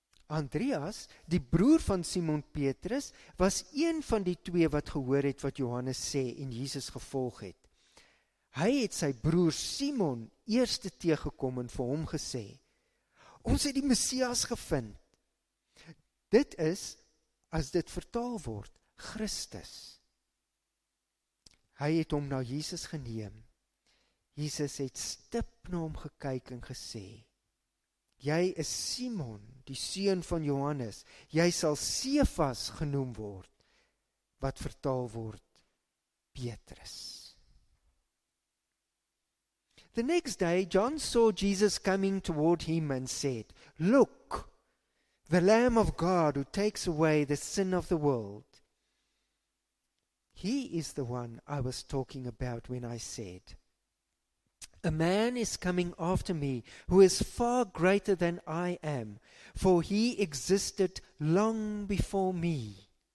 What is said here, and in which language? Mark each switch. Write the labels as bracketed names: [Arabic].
[Afrikaans] Andreas, die broer van Simon Petrus, was een van die twee wat gehoor het wat Johannes sê en Jesus gevolg het. Hy het sy broer Simon eerste teëgekom en vir hom gesê, ons het die Messias gevind. Dit is, as dit vertaal word, Christus. Hy het hom na Jesus geneem. Jesus het stip na hom gekyk en gesê, jy is Simon, die seun van Johannes, jy sal Sefas genoem word, wat vertaal word Petrus. [English] The next day, John saw Jesus coming toward him and said, look, the Lamb of God who takes away the sin of the world. He is the one I was talking about when I said, a man is coming after me who is far greater than I am, for he existed long before me.